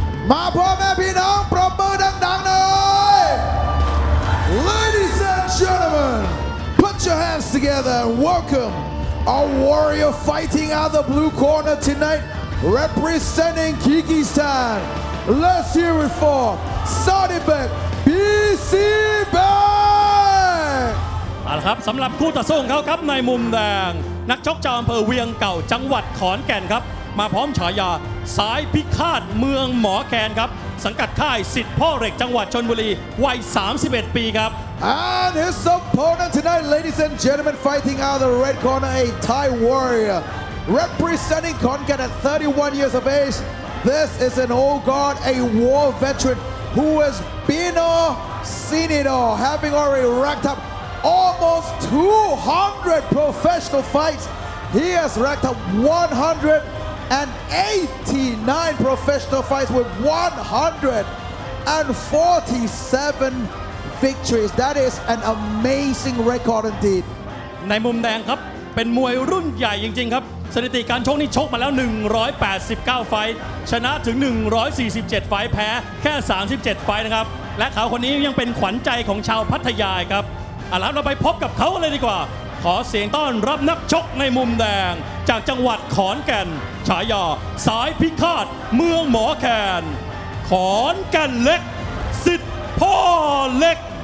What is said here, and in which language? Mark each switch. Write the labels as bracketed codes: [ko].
[th] มาพ่อแม่พี่น้องปรบมือดังๆหน่อย [en] Ladies and gentlemen put your hands together and welcome our warrior fighting out the blue corner tonight representing Kyrgyzstan let's hear it for Sadibek BCBank [th] เอาละครับสำหรับคู่ต่อสู้เขาครับในมุมแดงนักชกชาวอำเภอเวียงเก่าจังหวัดขอนแก่นครับมาพร้อมฉายาสายพิฆาตเมืองหมอแคนครับสังกัดค่ายสิทธิ์พ่อเหล็กจังหวัดชลบุรีวัย31ปีครับ [en] And his opponent tonight ladies and gentlemen fighting out of the red corner a Thai warrior representing Khon Kaen at 31 years of age this is an old guard a war veteran who has been all seen it all having already racked up almost 200 professional fights he has racked up 100and 89 professional fights with 147 victories that is an amazing record indeed [th] ในมุมแดงครับเป็นมวยรุ่นใหญ่จริงๆครับสถิติการชกนี่ชกมาแล้ว189ไฟชนะถึง147ไฟแพ้แค่37ไฟนะครับและเขาคนนี้ยังเป็นขวัญใจของชาวพัทยาครับเอาล่ะเราไปพบกับเขาเลยดีกว่าขอเสียงต้อนรับนักชกในมุมแดงจากจังหวัดขอนแก่นฉายาสายพิฆาตเมืองหมอแคนขอนแก่นเล็กสิทธิ์พ่อเล็ก